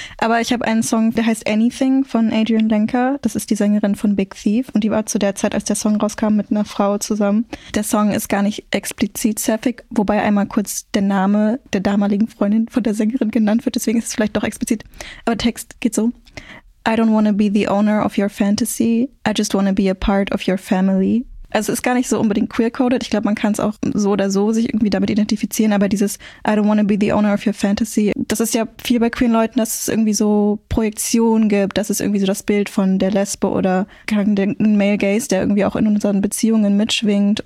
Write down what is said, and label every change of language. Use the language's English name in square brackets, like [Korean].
[German] Aber ich habe einen Song, der heißt Anything von Adrian Lenker. Das ist die Sängerin von Big Thief und die war zu der Zeit, als der Song rauskam, mit einer Frau zusammen. Der Song ist gar nicht explizit Sapphic, wobei einmal kurz der Name der damaligen Freundin von der Sängerin genannt wird, deswegen ist es vielleicht doch explizit. Aber Text geht so. [English] I don't wanna be the owner of your fantasy. I just wanna be a part of your family. [German] Also es ist gar nicht so unbedingt queer-coded. Ich glaube, man kann es auch so oder so sich irgendwie damit identifizieren. Aber dieses [English] I don't wanna be the owner of your fantasy, [German] das ist ja viel bei queeren Leuten, dass es irgendwie so Projektionen gibt. Das ist irgendwie so das Bild von der Lesbe oder ein Male Gaze, der irgendwie auch in unseren Beziehungen mitschwingt.